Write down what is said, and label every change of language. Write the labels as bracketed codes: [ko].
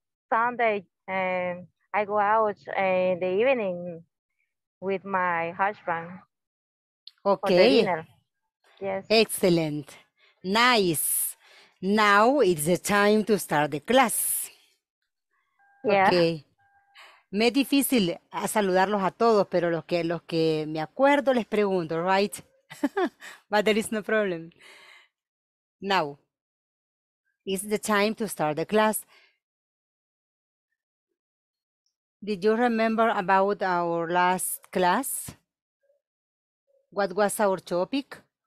[en] Sunday, I go out in the evening with my husband. Okay. For yes. Excellent. Nice. Now it's the time to start the class. Yeah. Okay. [es] Me es difícil a saludarlos a todos, pero los que me acuerdo les pregunto, right? [en] But there is no problem. Now, it's the time to start the class. Did you remember about our last class? What was our topic?